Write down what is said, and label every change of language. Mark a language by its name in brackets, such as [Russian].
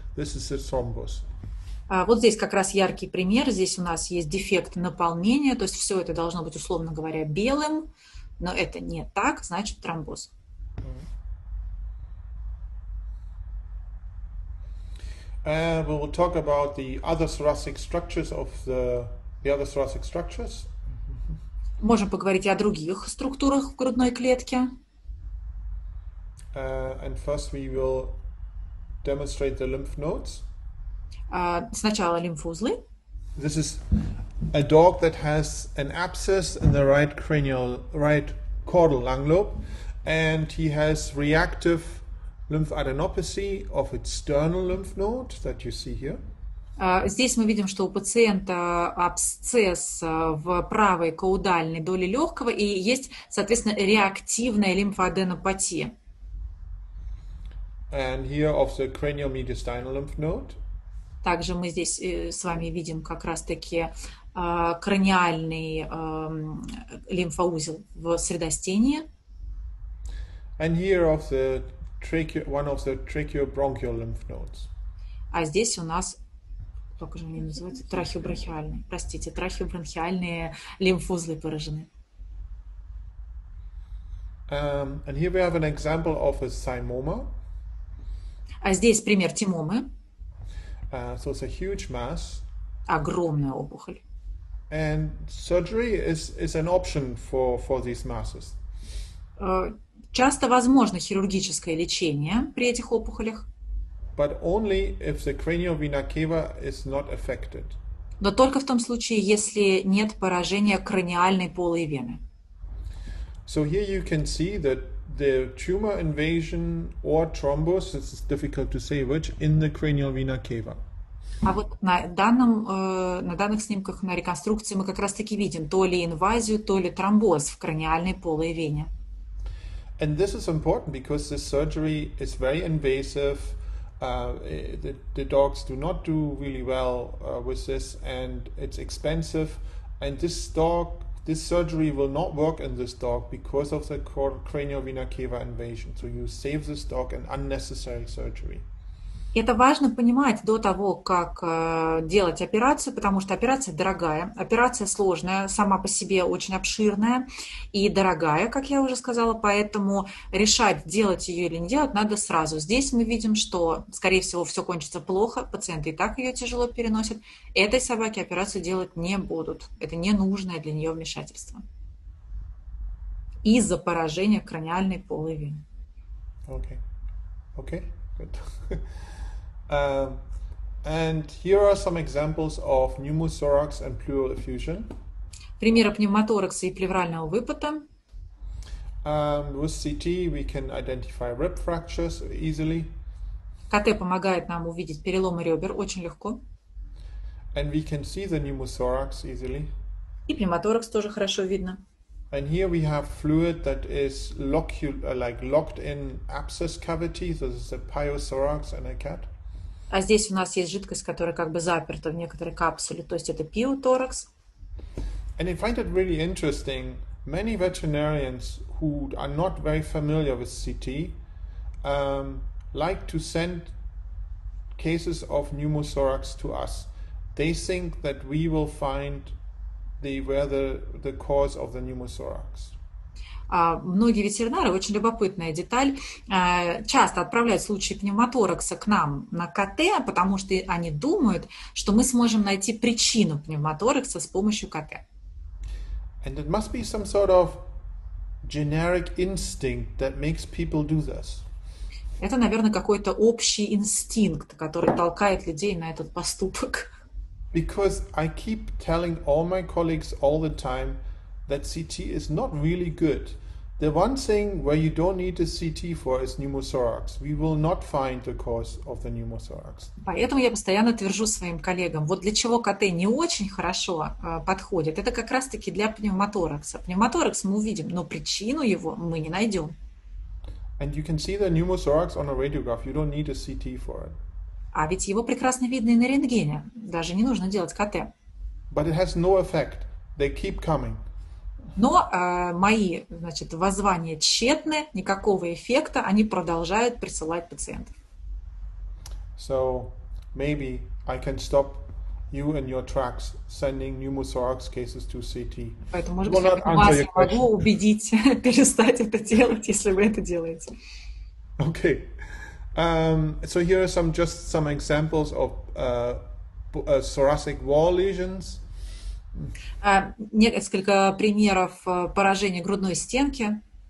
[English] This is a thrombus. [Russian] Вот здесь как раз яркий пример. Здесь у нас есть дефект наполнения, то есть все это должно быть, условно говоря, белым, но это не так, значит, тромбоз. [English] We will talk about the other thoracic structures. [Russian] Можем поговорить и о других структурах в грудной клетке. [English] And first we will demonstrate the lymph nodes. [Russian] Сначала лимфоузлы. [English] This is a dog that has an abscess in the right cranial, right caudal lung lobe, and he has reactive lymphadenopathy of its sternal lymph node that you see here. [Russian] Здесь мы видим, что у пациента абсцесс в правой каудальной доле легкого и есть, соответственно, реактивная лимфоаденопатия. [English] And here of the cranial mediastinal lymph node. [Russian] Также мы здесь с вами видим как раз-таки краниальный лимфоузел в средостении. [English] And here of the tracheobronchial lymph nodes. [Russian] А здесь у нас только же они называются трахеобронхиальные. Простите, трахеобронхиальные лимфоузлы поражены. [English] And here we have an example of a thymoma. [Russian] А здесь пример тимомы. [English] So it's a huge mass. [Russian] Огромная опухоль. [English] And surgery is an option for these masses. [Russian] Часто возможно хирургическое лечение при этих опухолях. [English] But only if the cranial vena cava is not affected. [Russian] Но только в том случае, если нет поражения краниальной полой вены. [English] So here you can see that the tumor invasion or thrombus, it's difficult to say which, in the cranial vena cava. [Russian] А вот на данных снимках на реконструкции мы как раз таки видим то ли инвазию, то ли тромбоз в краниальной полой вене. [English] And this is important because this surgery is very invasive. The dogs do not do really well with this, and it's expensive. And this surgery will not work in this dog because of the cranial vena cava invasion. So you save this dog an unnecessary surgery. [Russian] Это важно понимать до того, как делать операцию, потому что операция дорогая, операция сложная, сама по себе очень обширная и дорогая, как я уже сказала, поэтому решать, делать ее или не делать, надо сразу. Здесь мы видим, что, скорее всего, все кончится плохо, пациенты и так ее тяжело переносят. Этой собаке операцию делать не будут. Это ненужное для нее вмешательство. Из-за поражения краниальной полой вены. [English] Окей. Good. And here are some examples of pneumothorax and pleural effusion. [Russian] Примеры пневмоторакса и плеврального выпада. [English] With CT we can identify rib fractures easily. [Russian] КТ помогает нам увидеть переломы ребер очень легко. [English] And we can see the pneumothorax easily. [Russian] И пневмоторакс тоже хорошо видно. [English] And here we have fluid that is locked in abscess cavity. So this is a pyothorax in a cat. [Russian] А здесь у нас есть жидкость, которая как бы заперта в некоторой капсуле, то есть это пиоторакс. [English] And I find it really interesting. Many veterinarians who are not very familiar with CT like to send cases of pneumothorax to us. They think that we will find the cause of the pneumothorax. [Russian] Многие ветеринары, очень любопытная деталь, часто отправляют случаи пневмоторакса к нам на КТ, потому что они думают, что мы сможем найти причину пневмоторакса с помощью КТ. [English] And it must be some sort of generic instinct that makes people do this. [Russian] Это, наверное, какой-то общий инстинкт, который толкает людей на этот поступок. [English] Because I keep telling all my colleagues all the time that CT is not really good. The one thing where you don't need a CT for is pneumothorax. We will not find the cause of the pneumothorax. [Russian] Поэтому я постоянно твержу своим коллегам, вот для чего КТ не очень хорошо подходит, это как раз-таки для пневмоторакса. Пневмоторакс мы увидим, но причину его мы не найдем. [English] And you can see the pneumothorax on a radiograph. You don't need a CT for it. [Russian] А ведь его прекрасно видно и на рентгене. Даже не нужно делать КТ. [English] But it has no effect. They keep coming. [Russian] Но мои, значит, воззвания тщетны, никакого эффекта, они продолжают присылать пациентов. [English] So maybe I can stop you and your tracks sending pneumothorax cases to CT. [Russian] Поэтому, может быть, вас я могу [English] question. [Russian] Убедить перестать это делать, если вы это делаете. [English] Okay. So here are some examples of thoracic wall lesions. [Russian] Несколько примеров поражения грудной стенки.